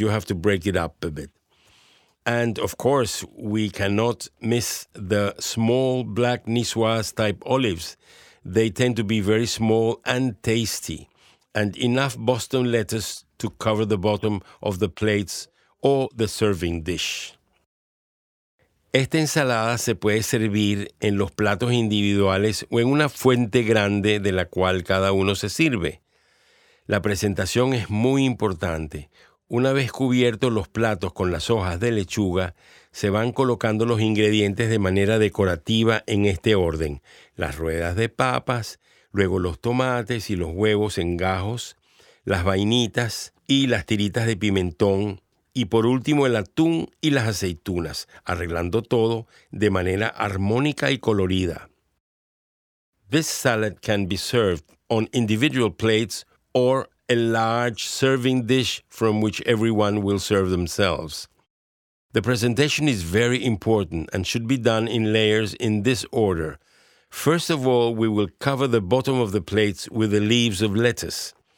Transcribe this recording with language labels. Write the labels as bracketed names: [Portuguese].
[English] You have to break it up a bit. And, of course, we cannot miss the small black Niçoise-type olives. They tend to be very small and tasty, and enough Boston lettuce to cover the bottom of the plates or the serving dish. [Spanish] Esta ensalada se puede servir en los platos individuales o en una fuente grande de la cual cada uno se sirve. La presentación es muy importante. Una vez cubiertos los platos con las hojas de lechuga, se van colocando los ingredientes de manera decorativa en este orden. Las ruedas de papas, luego los tomates y los huevos en gajos, las vainitas y las tiritas de pimentón, y por último el atún y las aceitunas, arreglando todo de manera armónica y colorida. [English] This salad can be served on individual plates or a large serving dish from which everyone will serve themselves. The presentation is very important and should be done in layers in this order. First of all, we will cover the bottom of the plates with the leaves of lettuce.